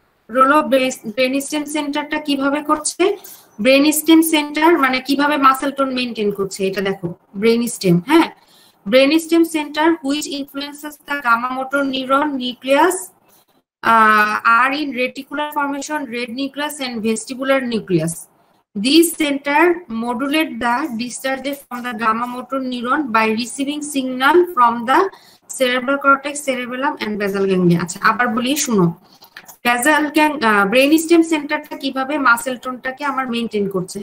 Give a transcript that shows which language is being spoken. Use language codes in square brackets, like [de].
[bn] Role of brain stem সেন্টারটা কিভাবে করছে, ব্রেন স্টেম সেন্টার মানে কিভাবে মাসেল টোন মেনটেন করছে, এটা দেখো ব্রেন স্টেম। [en] হ্যাঁ, brain stem center which influences the gamma motor neuron nucleus আর in reticular formation red nucleus and vestibular nucleus. This center modulates the discharge from the gamma motor neuron by receiving signal from the cerebral cortex, cerebellum and basal ganglia. [bn] আচ্ছা আবার বলি শুনো, basal ganglia brain stem center টা কিভাবে muscle tone টাকে আমার maintain করছে?